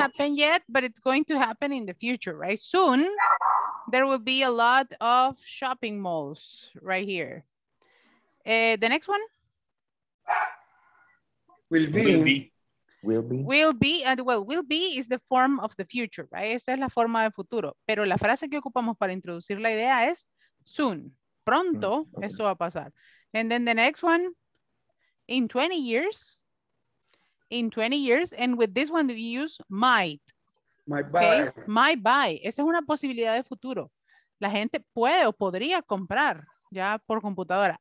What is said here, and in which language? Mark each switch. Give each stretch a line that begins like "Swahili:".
English: Happened yet, but it's going to happen in the future, right? Soon, there will be a lot of shopping malls right here. The next one? Will be. Will be. Will be. Will be, and well, will be is the form of the future, right?
Spanish: Esta es la forma de futuro. Pero la frase que ocupamos para introducir la idea es soon. Pronto, okay. Esto va a pasar.
English: And then the next one, in 20 years. In 20 years, and with this one we use might. Might buy. Okay? Might buy.
Spanish: Esa es una posibilidad de futuro. La gente puede o podría comprar ya por computadora.